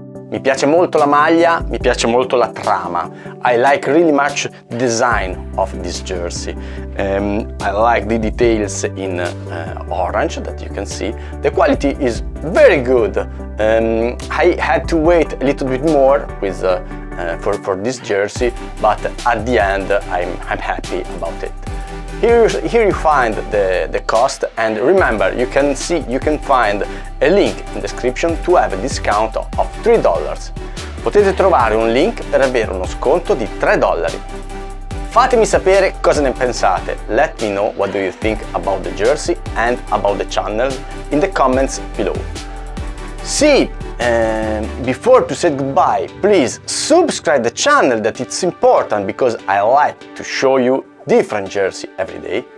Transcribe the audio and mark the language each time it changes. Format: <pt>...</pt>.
<it>Mi piace molto la maglia, mi piace molto la trama.</it> <en>I like really much the design of this jersey. I like the details in orange that you can see. The quality is very good. I had to wait a little bit more with for this jersey, but at the end I'm happy about it. Here you find the cost, and remember, you can find a link in description to have a discount of $3.</en> <it>Potete trovare un link per avere uno sconto di $3. Fatemi sapere cosa ne pensate.</it> <en>Let me know what do you think about the jersey and about the channel in the comments below. See, before to say goodbye, please subscribe the channel. That it's important because I like to show you different jersey every day.</en>